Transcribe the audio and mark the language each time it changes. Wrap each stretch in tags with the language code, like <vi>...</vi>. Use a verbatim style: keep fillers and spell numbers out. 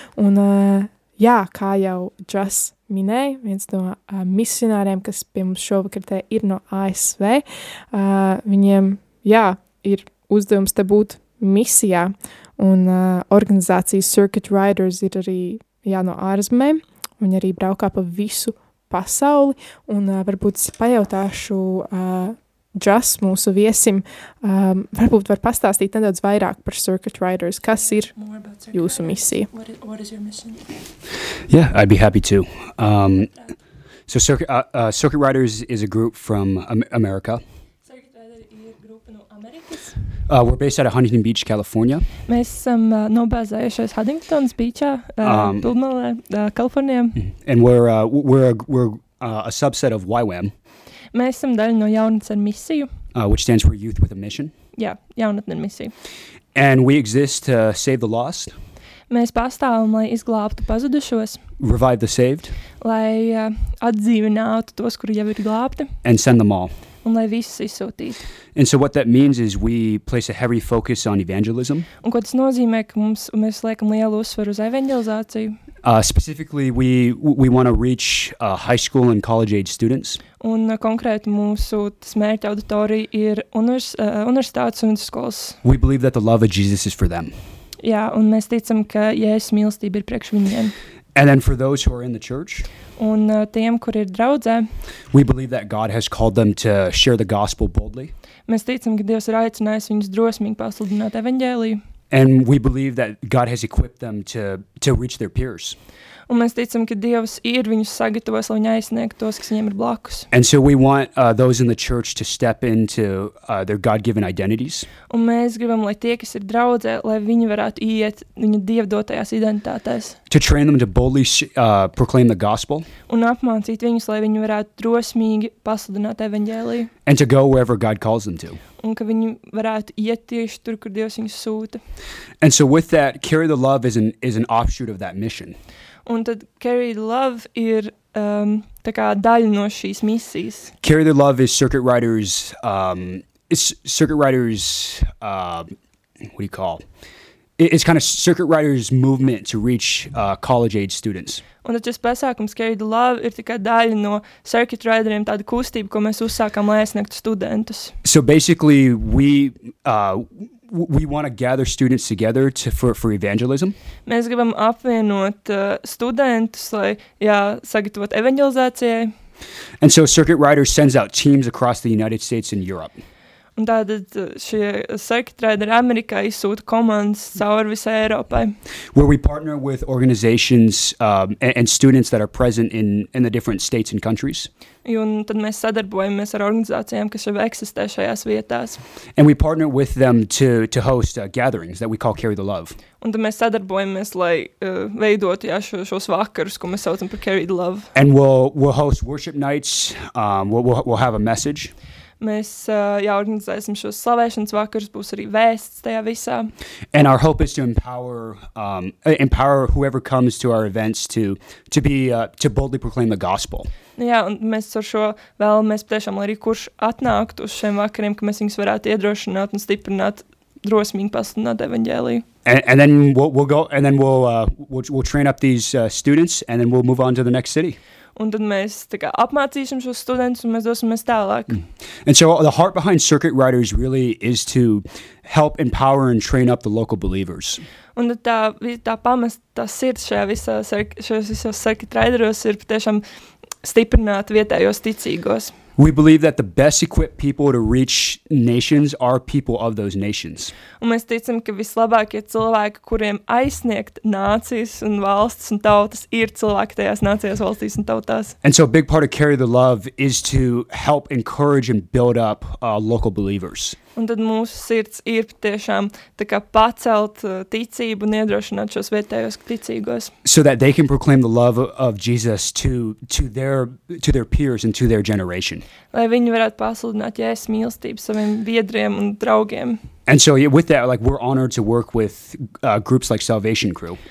<lv>Un uh, Jā, kā jau Džas minēja, viens no uh, misionāriem, kas pie mums šovakar te ir no A S V, uh, viņiem, jā, ir uzdevums te būt misijā, un uh, organizācija Circuit Riders ir arī, jā, no ārzemēm, viņi arī braukā pa visu pasauli, un uh, varbūt es pajautāšu uh, Džas mūsu viesim, um, varbūt var pastāstīt nedaudz vairāk par Circuit Riders. Kas ir jūsu misija?</lv> <en>What is, what is your mission? Yeah, I'd be happy to. Um, so Circuit, uh, uh, Circuit Riders is a group from um, America.</en> <lv>Circuit Riders ir grupa no Amerikas.</lv> <en>Uh, we're based out of Huntington Beach, California.</en> <lv>Mēs esam uh, nobāzējušies Huntington's Beachā, uh, Pilmalē, uh, Kalifornijā.</lv> <en>And we're, uh, we're, a, we're uh, a subset of Y W A M.</en> <lv>Mēs esam daļa no Jaunatnes ar misiju.</lv> <en>Uh, which stands for Youth with a Mission.</en> <lv>Jā, Jaunatnes ar misiju.</lv> <en>And we exist to save the lost.</en> <lv>Mēs pastāvam, lai izglābtu pazudušos.</lv> <en>Revive the saved.</en> <lv>Lai uh, atdzīvinātu tos, kuri jau ir glābti.</lv> <en>And send them all.</en> <lv>Un lai visus izsūtītu.</lv> <en>And so what that means is we place a heavy focus on evangelism.</en> <lv>Un ko tas nozīmē, ka mums, mēs liekam lielu uzsvaru uz evangelizāciju.</lv> <en>Uh, specifically, we we want to reach uh, high school and college age students.</en> <lv>Un uh, konkrēti mūsu mērķa auditorija ir univers, uh, universitātes un skolas.</lv> <en>We believe that the love of Jesus is for them.</en> <lv>Jā, un mēs ticam, ka Jēzus mīlestība ir priekš viņiem.</lv> <en>And then for those who are in the church.</en> <lv>Un uh, tiem, kuri ir draudzē.</lv> <en>We believe that God has called them to share the gospel boldly.</en> <lv>Mēs ticam, ka Dievs ir aicinājis viņus drosmīgi pasludināt evaņģēliju.</lv> <en>And we believe that God has equipped them to to reach their peers.</en> <lv>Un mēs ticam, ka Dievs ir viņus sagatavojis, lai viņi aizsniegtu tos, kas viņiem ir blakus.</lv> <en>And so we want uh, those in the church to step into uh, their God-given identities.</en> <lv>Un mēs gribam, lai tie, kas ir draudzē, lai viņi varētu iet viņa dievdotajās identitātēs.</lv> <en>To train them to boldly uh, proclaim the gospel.</en> <lv>Un apmācīt viņus, lai viņi varētu drosmīgi pasludināt evaņģēliju.</lv> <en>And to go wherever God calls them to.</en> <lv>Un ka viņi varētu iet tieši tur, kur Dievs viņus sūta.</lv> <en>And so with that, carry the love is an, is an offshoot of that mission.</en> <lv>Un tad carry the love ir um, tā kā daļa no šīs misijas.</lv> <en>Carry the love is circuit riders, um, it's circuit riders, uh, what do you call? It's kind of circuit riders movement to reach uh, college age students.</en> <lv>Un tad šis pasākums Carry the Love ir tā kā daļa no circuit rideriem, tāda kustība, ko mēs uzsākām, lai aizsniegtu studentus.</lv> <en>So basically we... Uh, We want to gather students together to, for, for evangelism.</en> <lv>Mēs gribam apvienot uh, studentus, lai jā, sagatavot evangelizācijai.</lv> <en>And so Circuit Riders sends out teams across the United States and Europe.</en> <lv>Un tātad šie Circuit Riders Amerikā izsūta komandas caur visai Eiropai.</lv> <en>Where we partner with organizations um, and, and students that are present in, in the different states and countries.</en> <lv>Un tad mēs sadarbojamies ar organizācijām, kas jau eksistē šajās vietās.</lv> <en>And we partner with them to, to host uh, gatherings that we call Carry the Love.</en> <lv>Un tad mēs sadarbojamies, lai uh, veidotu jā, šo, šos vakarus, ko mēs saucam par Carry the Love.</lv> <en>And we'll, we'll host worship nights, um, we'll, we'll, we'll have a message.</en> <lv>Mēs uh, jā, organizēsim šos slavēšanas vakarus, būs arī vēsts tajā visā.</lv> <en>And our hope is to empower, um, empower whoever comes to our events to, to, be, uh, to boldly proclaim the gospel.</en> <lv>Jā, un mēs ar šo vēlamies patiešām, lai arī kurš atnāktu uz šiem vakariem, ka mēs viņus varētu iedrošināt un stiprināt, drosmīgi pasludināt evaņģēliju.</lv> <en>And, and then we'll, we'll go, and then we'll, uh, we'll, we'll train up these uh, students, and then we'll move on to the next city.</en> <lv>Un tad mēs tā kā apmācīsim šos studentus, un mēs dosimies tālāk. Mm.</lv> <en>And so the heart behind Circuit Riders really is to help empower and train up the local believers.</en> <lv>Un tad tā, tā pamest, tā sirds šajā visā, šajos visos Circuit Rideros ir patiešām stiprināt vietējos ticīgos.</lv> <en>We believe that the best equipped people to reach nations are people of those nations.</en> <lv>Un mēs ticam, ka vislabākie cilvēki, kuriem aizsniegt nācijas un valstis un tautas, ir cilvēki tajās nācijās, valstīs un tautās.</lv> <en>And so a big part of Carry the Love is to help encourage and build up uh, local believers.</en> <lv>Un tad mūsu sirds ir tiešām tā kā pacelt ticību un iedrošināt šos vietējos ticīgos.</lv> <en>So that they can proclaim the love of Jesus to, to, their, to their peers and to their generation.</en> <lv>Lai viņi varētu pasludināt Jēzus mīlestību saviem biedriem un draugiem.</lv> <en>And so yeah, with that, like we're honored to work with uh, groups like Salvation Crew.</en>